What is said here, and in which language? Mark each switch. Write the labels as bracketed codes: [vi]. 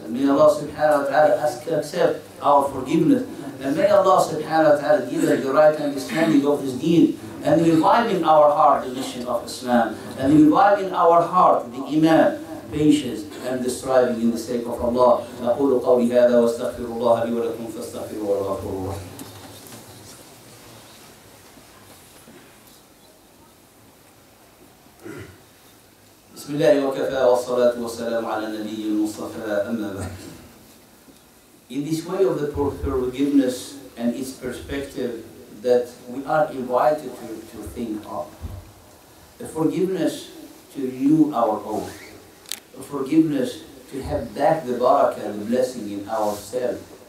[en] And may Allah subhanahu wa ta'ala ask to accept our forgiveness. And may Allah subhanahu wa ta'ala give us the right understanding of His deen. And reviving our heart the mission of Islam. And reviving our heart the iman. Patience and the striving in the sake of Allah. [ar] نقول قولي هذا واستغفر الله لي ولكم فاستغفروا وغفر الله. بسم الله وكفى والصلاة والسلام على النبي المصطفى أما بعد. [en] In this way of the forgiveness and its perspective that we are invited to think of. The forgiveness to renew our oath. A forgiveness to have back the barakah and the blessing in ourselves.